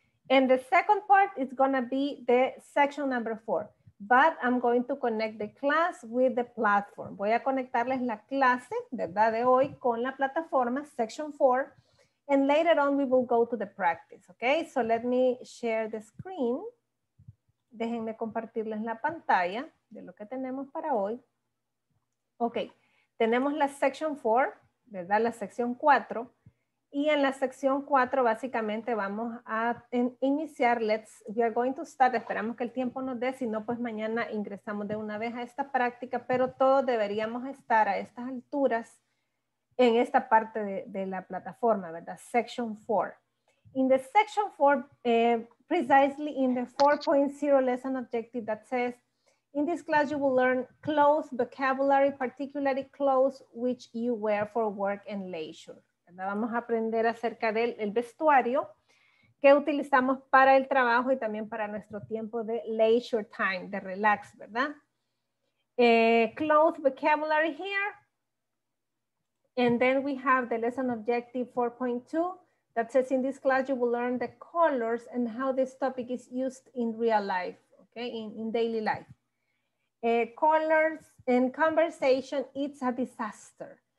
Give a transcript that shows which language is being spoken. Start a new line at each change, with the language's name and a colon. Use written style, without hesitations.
English: And the second part is going to be the section number 4. But I'm going to connect the class with the platform.
Spanish: Voy a conectarles la clase, ¿verdad? De hoy con la plataforma, section 4.
English: And later on, we will go to the practice, okay? So let me share the screen.
Spanish: Déjenme compartirles la pantalla de lo que tenemos para hoy. Okay, tenemos la section 4, ¿verdad? La sección 4. Y en la sección 4, básicamente, vamos a iniciar.
English: We are going to start.
Spanish: Esperamos que el tiempo nos dé. Si no, pues mañana ingresamos de una vez a esta práctica. Pero todos deberíamos estar a estas alturas en esta parte de la plataforma, ¿verdad?
English: Section 4. In the section 4, precisely in the 4.0 lesson objective that says, in this class, you will learn clothes, vocabulary, particularly clothes which you wear for work and leisure.
Spanish: Vamos a aprender acerca del el vestuario que utilizamos para el trabajo y también para nuestro tiempo de leisure time, de relax, ¿verdad?
English: Clothes vocabulary here. And then we have the lesson objective 4.2 that says in this class you will learn the colors and how this topic is used in real life, okay, in daily life. Colors in conversation, it's a disaster.